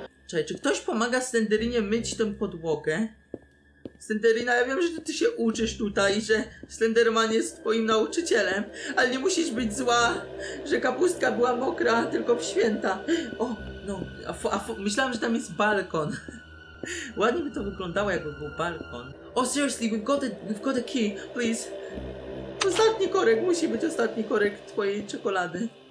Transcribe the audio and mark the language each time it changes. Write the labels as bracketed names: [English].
[Polish] Czekaj, czy ktoś pomaga Slenderinie myć tę podłogę? Slenderina, ja wiem, że ty się uczysz tutaj, że Slenderman jest twoim nauczycielem, ale nie musisz być zła, że kapustka była mokra, tylko w święta. O, no, myślałam, że tam jest balkon. Ładnie by to wyglądało, jakby był balkon. [English] Oh, seriously, we've got a key, please. [Polish] Ostatni korek, musi być ostatni korek twojej czekolady.